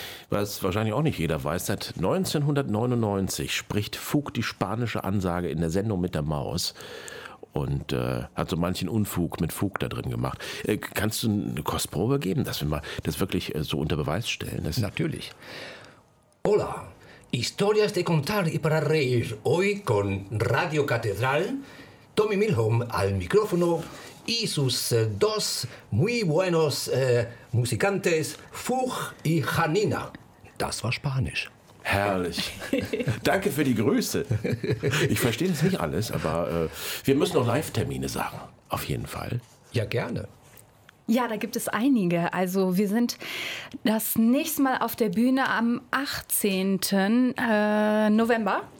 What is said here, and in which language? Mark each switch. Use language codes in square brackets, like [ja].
[de] Was wahrscheinlich auch nicht jeder weiß, seit 1999 spricht Fug die spanische Ansage in der Sendung mit der Maus und hat so manchen Unfug mit Fug da drin gemacht. Kannst du eine Kostprobe geben, dass wir mal das wirklich so unter Beweis stellen? Natürlich. [es] Hola, historias de contar y para reír hoy con Radio Catedral, Tommy Milholm al micrófono y sus dos muy buenos musicantes, Fug y Janina. [de] Das war Spanisch. Herrlich. Danke für die Grüße. Ich verstehe das nicht alles, aber wir müssen noch Live-Termine sagen, auf jeden Fall. Ja, gerne. Ja, da gibt es einige. Also wir sind das nächste Mal auf der Bühne am 18. November.